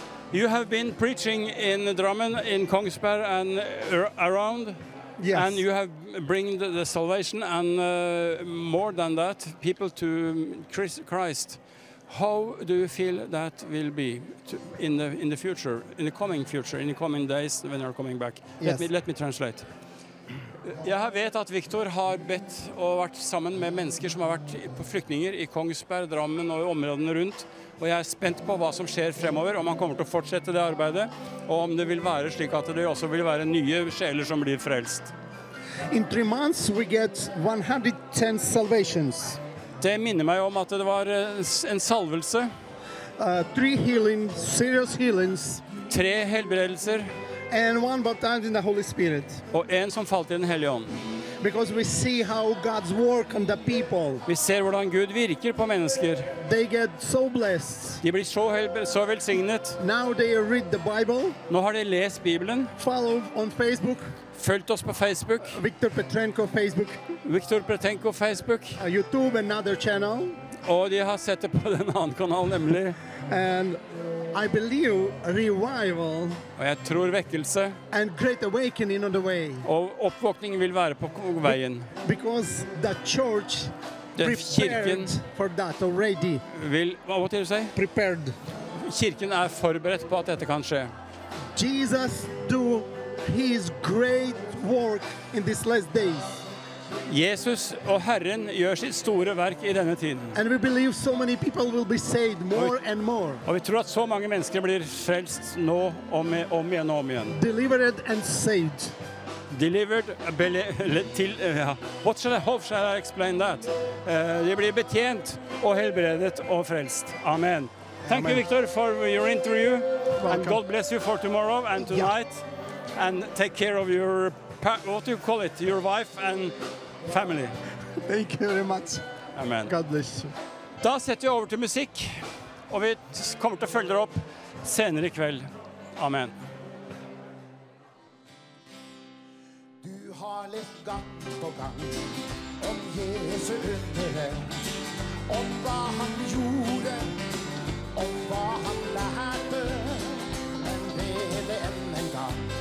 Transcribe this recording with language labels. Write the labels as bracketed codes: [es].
[en] You have been preaching in Drammen, in Kongsberg and around. Yes. And you have bringed the salvation and more than that, people to Christ. How do you feel that will be in the future, in the coming future, in the coming days when you're coming back? Yes. Let me translate. [no] Jeg vet at Victor har bedt og vært sammen med mennesker som har vært på flyktninger I Kongsberg, Drammen og I områdene rundt. Og jeg spent på hva som skjer fremover, om han kommer til å fortsette det arbeidet, og om det vil være slik at det også vil være nye sjeler som blir frelst. [en] In 3 months we get 110 salvations. [no] Det minner meg om at det var en salvelse. [en] 3 healings, serious healings. [no] 3 helbredelser. [en] And 1 baptized in the Holy Spirit. [no] Og en som falt I den hellige ånd. [en] Because we see how God's work on the people. [no] Vi ser hvordan Gud virker på mennesker. [en] They get so blessed. [no] De blir så så velsignet. [en] Now they read the Bible. [no] Nå har de lest Bibelen. [en] Follow on Facebook. [no] Følgt oss på Facebook. [en] Victor Petrenko Facebook. Victor Petrenko Facebook. YouTube another channel. [no] Og de har sett det på den andre kanalen nemlig. [en] And I believe revival. [no] Og jeg tror vekkelse. [en] And great awakening on the way. [no] Og oppvåkningen vil være på veien. [en] Because the church prepared for that already. [no] Vil, hva måtte du si? [en] Prepared. [no] Kirken forberedt på at dette kan skje. [en] Jesus do his great work in these last days. [no] Jesus og Herren gjør sitt store verk I denne tiden. [en] And we believe so many people will be saved more and more. [no] Og vi tror at så mange mennesker blir frelst nå om igjen og om igjen. [en] Delivered and saved. [no] Delivered til ja. [en] What shall I hope shall I explain that? [no] De blir betjent og helbredet og frelst. [en] Amen. Thank you Victor for your interview. Welcome. And God bless you for tomorrow and tonight. Yeah. And take care of your what do you call it? Your wife and family. Thank you very much. Amen. God bless you. [no] Da setter vi over til musikk, og vi kommer til å følge dere opp senere I kveld. Amen. Du har lest gang på gang om Jesu undre, om hva han gjorde, om hva han lærte, men ble det enn en gang.